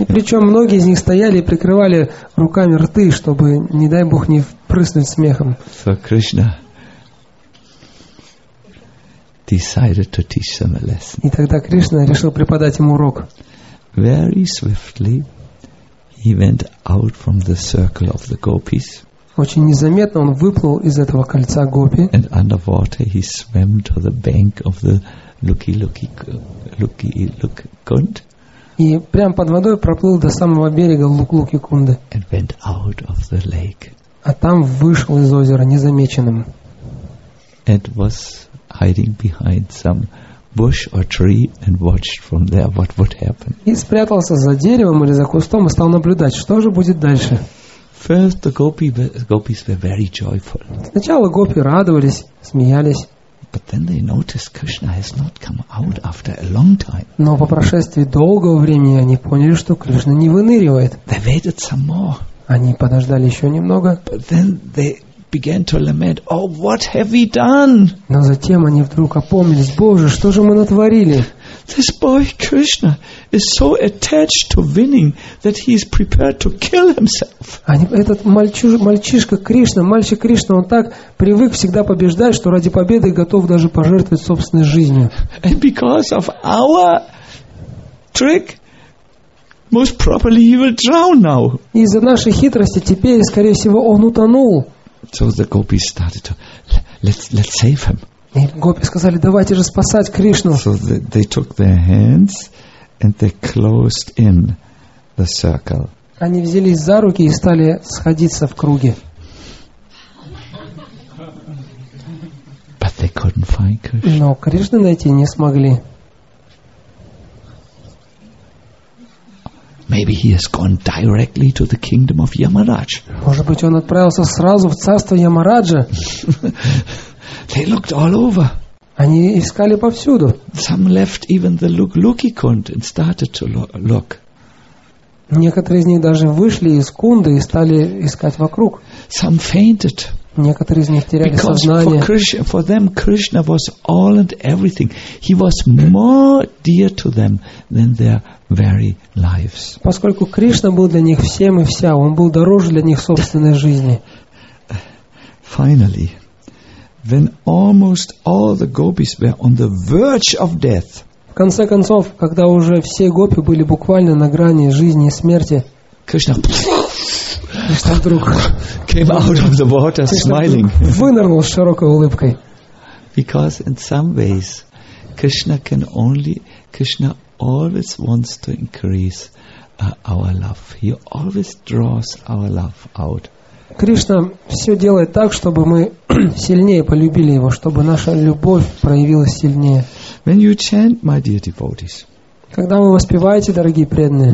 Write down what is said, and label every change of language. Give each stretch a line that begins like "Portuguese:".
Russian: Причем многие из них стояли и прикрывали руками рты, чтобы, не дай бог, не впрыснуть смехом.
English: So Krishna decided to teach them a lesson.
Russian: И тогда Кришна решил преподать ему урок.
English: Very swiftly he went out from the circle of the gopis.
Russian: Очень незаметно он выплыл из этого кольца гопи.
English: And underwater he swam to the bank of the Luki-Luki-Kund.
Russian: И прям под водой проплыл до самого берега Луки-Кунды.
English: And went out of the lake.
Russian: А там вышел из озера незамеченным.
English: It was hiding behind some bush or tree and watched from there what would happen.
Russian: И спрятался за деревом или за кустом и стал наблюдать, что же будет дальше.
English: First the gopis were very joyful.
Russian: Сначала гопи радовались, смеялись.
English: But then they noticed Krishna has not come out after a long time.
Russian: Но по прошествии долгого времени они поняли, что Кришна не выныривает.
English: They waited some more.
Russian: Они подождали еще немного.
English: But then they began to lament, oh, what have we done?
Russian: Но затем они вдруг опомнились, Боже, что же мы натворили?
English: This boy Krishna is so attached to winning that he is prepared to kill himself.
Russian: Этот мальчишка Кришна, мальчик Кришна, он так привык всегда побеждать, что ради победы готов даже пожертвовать собственной жизнью.
English: And because of our trick, most probably he will drown now.
Russian: Из-за нашей хитрости теперь, скорее всего, он утонул.
English: So the gopis started to let's save him.
Russian: И гопи сказали, давайте же спасать Кришну.
English: So they took their hands and they closed in the circle.
Russian: Они взялись за руки и стали сходиться в круге.
English: But they couldn't find Krishna.
Russian: Но Кришну найти не смогли.
English: Maybe he has gone directly to the kingdom of Yamaraj.
Russian: Может быть, он отправился сразу в царство Ямараджа.
English: They looked all over.
Russian: Они искали повсюду.
English: Some left even the Lukluki Kund and started to look.
Russian: Некоторые из них даже вышли из Кунды и стали искать вокруг.
English: Some fainted.
Russian: Некоторые из них теряли сознание.
English: For them, Krishna was all and everything. He was more dear to them than their very lives.
Russian: Поскольку Кришна был для них всем и вся, он был дороже для них собственной жизни.
English: Finally, when almost all the gopis were on the verge of death.
Russian: В конце концов, когда уже все гопи были буквально на грани жизни и смерти, Кришна вдруг
English: came out of the water smiling.
Russian: Вынырнул с широкой улыбкой.
English: Because in some ways, Krishna always wants to increase our love. He always draws our love out.
Russian: Кришна все делает так, чтобы мы сильнее полюбили его, чтобы наша любовь проявилась сильнее.
English: When you chant, my dear devotees,
Russian: когда вы воспеваете, дорогие преданные,